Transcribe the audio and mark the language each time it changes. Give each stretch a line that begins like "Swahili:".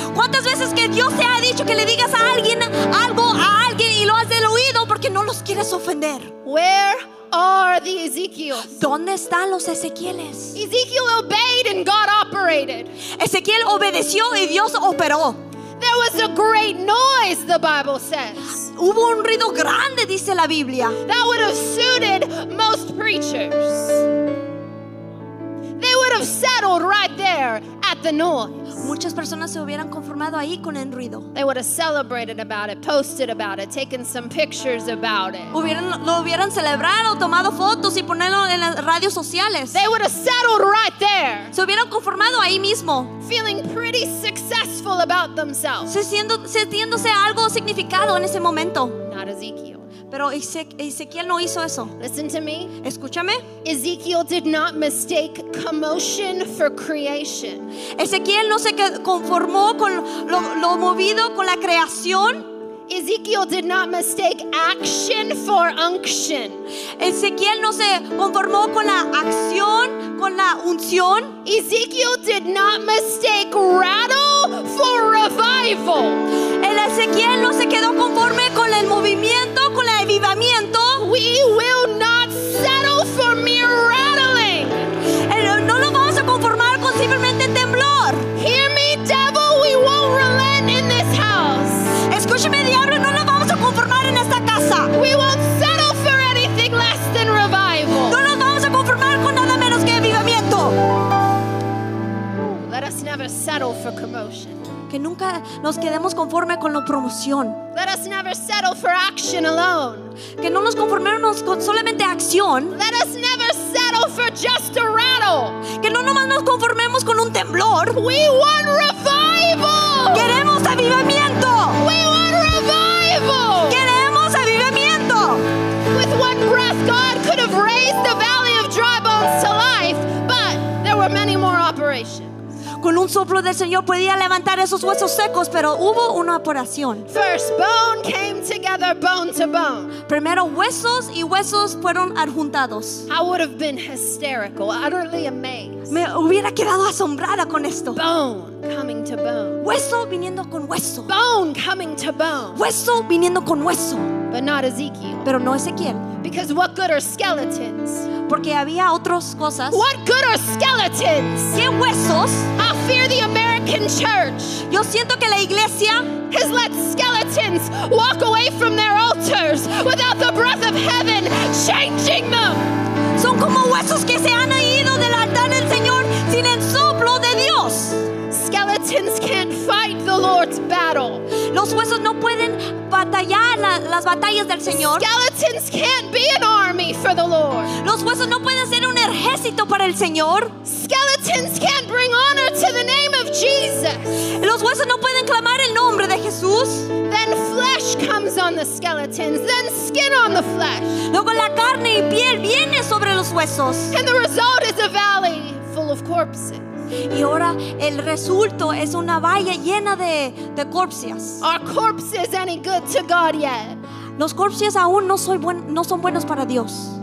Spanish: ¿Cuántas veces que Dios te ha dicho que le digas a alguien algo a alguien y lo has diluido porque no los quieres ofender?
English: Where are the Ezekiels?
Spanish: ¿Dónde están los Ezequieles?
English: Ezekiel obeyed and God operated.
Spanish: Ezequiel obedeció y Dios operó.
English: There was a great noise, the Bible says.
Spanish: Hubo un ruido grande, dice la Biblia.
English: That would have suited most preachers. They would have settled right there at the noise.
Spanish: Muchas personas se hubieran conformado ahí con el ruido.
English: They would have celebrated about it, posted about it, taken some pictures about it.
Spanish: Lo hubieran celebrado, tomado fotos y ponerlo en las redes sociales.
English: They would have settled right there.
Spanish: Se hubieran conformado ahí mismo.
English: Feeling pretty successful about themselves.
Spanish: Sintiéndose algo significado en ese momento.
English: Not Ezekiel.
Spanish: Pero Ezequiel no hizo eso.
English: Listen to me.
Spanish: Escúchame.
English: Ezekiel did not mistake commotion for creation.
Spanish: Ezequiel no se conformó con lo movido con la creación.
English: Ezekiel did not mistake action for unction.
Spanish: Ezequiel no se conformó con la acción, con la unción.
English: Ezekiel did not mistake rattle for revival.
Spanish: El Ezequiel no se quedó conforme con el movimiento, con el avivamiento.
English: We will not settle for mere rattling.
Spanish: No lo vamos a conformar con simplemente temblor.
English: Hear me, devil, we won't relent in this house.
Spanish: Escúchame, diablo, no lo vamos a conformar en esta casa.
English: We won't settle for anything less than revival.
Spanish: No lo vamos a conformar con nada menos que avivamiento.
English: Let us never settle for commotion.
Spanish: Que nunca nos quedemos conforme con la promoción.
English: Let us never settle for action alone.
Spanish: Que no nos conformemos con solamente acción.
English: Let us never settle for just a rattle.
Spanish: Que no nomás nos conformemos con un temblor.
English: We want revival.
Spanish: Queremos avivamiento.
English: We want revival.
Spanish: Queremos avivamiento.
English: With one breath, God could have raised the valley of dry bones to life, but there were many more operations.
Spanish: Con un soplo del Señor podía levantar esos huesos secos, pero hubo una operación.
English: First bone came together, bone to bone.
Spanish: Primero huesos y huesos fueron adjuntados.
English: I would have been hysterical, utterly amazed.
Spanish: Me hubiera quedado asombrada con esto.
English: Bone coming to bone.
Spanish: Hueso viniendo con hueso.
English: Bone coming to bone.
Spanish: Hueso viniendo con hueso.
English: But not Ezekiel.
Spanish: Pero no Ezequiel.
English: Because what good are skeletons?
Spanish: Porque había otras cosas.
English: What good are skeletons?
Spanish: ¿Qué huesos?
English: I fear the American church.
Spanish: Yo siento que la iglesia
English: has let skeletons walk away from their altars without the breath of heaven changing them.
Spanish: Son como huesos que se han ido del altar del Señor sin el soplo de Dios.
English: Skeletons can't fight the Lord's battle.
Spanish: Los huesos no pueden batallar las batallas del Señor.
English: Skeletons can't be an army for the Lord.
Spanish: Los huesos no pueden ser un ejército para el Señor.
English: Skeletons can't bring honor to the name of Jesus.
Spanish: Los huesos no pueden clamar el nombre de Jesús.
English: Then flesh comes on the skeletons, then skin on the flesh.
Spanish: Luego la carne y piel viene sobre los huesos.
English: And the result is a valley full of corpses.
Spanish: Y ahora el resultado es una valla llena de corpses.
English: Are corpses any good to God yet?
Spanish: Los corpses aún no son buenos para Dios.